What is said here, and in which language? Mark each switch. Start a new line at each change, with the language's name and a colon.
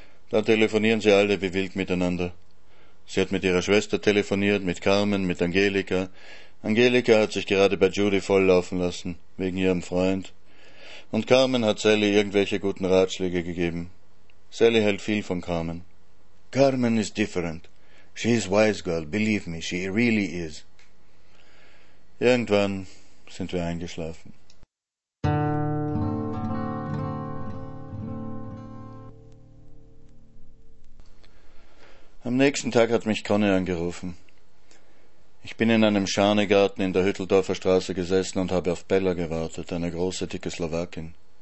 German: Da telefonieren sie alle wie wild miteinander. Sie hat mit ihrer Schwester telefoniert, mit Carmen, mit Angelika. Angelika hat sich gerade bei Judy volllaufen lassen, wegen ihrem Freund. Und Carmen hat Sally irgendwelche guten Ratschläge gegeben. Sally hält viel von Carmen.
English: Carmen is different. She is wise girl, believe me, she really is.
German: Irgendwann sind wir eingeschlafen. Am nächsten Tag hat mich Conny angerufen. Ich bin in einem Schanegarten in der Hütteldorfer Straße gesessen und habe auf Bella gewartet, eine große, dicke Slowakin.